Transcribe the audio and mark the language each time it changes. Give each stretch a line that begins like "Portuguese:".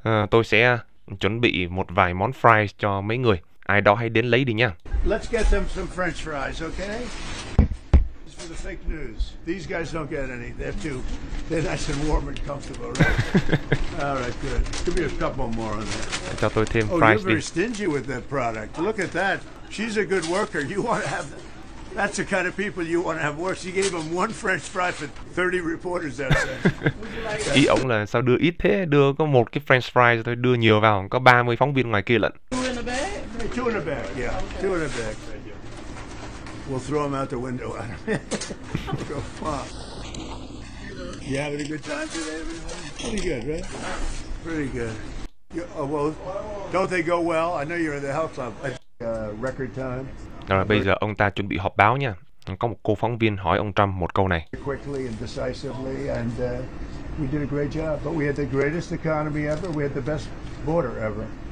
Vietnamese: Tôi sẽ chuẩn bị một vài món fries cho mấy người. Ai đó hãy đến lấy đi nha.
English: Let's get them some french fries, okay? For the fake news. These guys don't get any. They're nice and warm and comfortable, right? All right, good. Give me a couple more on that.
Vietnamese: Cho tôi thêm
English: fries
Vietnamese: đi.
English: Oh, you're very stingy with that product. Look at that. She's a good worker. You want to have... That's the kind of people you want to have work. She gave them one french fry for 30 reporters outside.
Vietnamese: Ý ông là sao đưa ít thế? Đưa có một cái french fries thôi, đưa nhiều vào, có 30 phóng viên ngoài kia lận.
English: Two in a bag? Two in a bag, yeah. Okay. Two in a bag. We'll throw them out the window. Go fuck. You having a good time today, everyone? Pretty good, right? Pretty good. Oh, well, don't they go well? I know you're in the health club. Record time.
Vietnamese: Rồi bây giờ ông ta chuẩn bị họp báo nha. Có một cô phóng viên hỏi ông Trump một câu này.
English: Quickly and decisively, and we did a great job. But we had the greatest economy ever. We had the best border ever.